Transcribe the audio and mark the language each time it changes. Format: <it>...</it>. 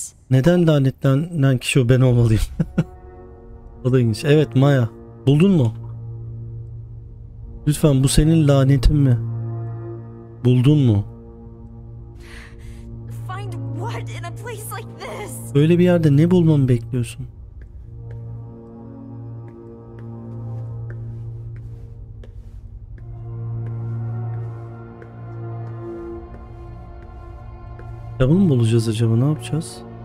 <tr>Neden lanetlenen kişi o, ben olmalıyım? O da ilginç. Evet Maya, buldun mu? Lütfen, bu senin lanetin mi? Buldun mu?</tr> <en>Find what in a place like this?</en> <tr>Böyle bir yerde ne bulmamı bekliyorsun? Kitabı mı bulacağız acaba, ne yapacağız?</tr>